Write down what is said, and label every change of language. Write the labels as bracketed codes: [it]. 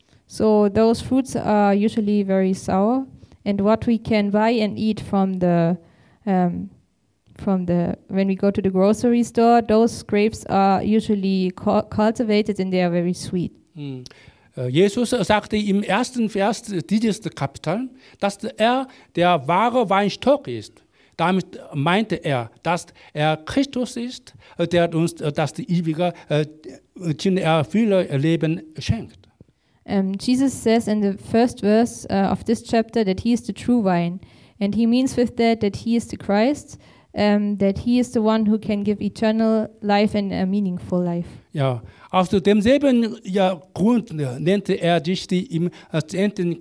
[en] So those fruits are usually very sour, and what we can buy and eat when we go to the grocery store, those grapes are usually cultivated and they are very sweet. [de] Jesus sagte im ersten Vers dieses Kapitel, dass er der wahre Weinstock ist. Damit meinte er, dass er Christus ist, der uns das ewige Leben schenkt. [en] Jesus says in the first verse of this chapter that he is the true vine, and he means with that he is the Christ, that he is the one who can give eternal life and a meaningful life. [de] Ja, aus demselben Grund nannte er sich im 10.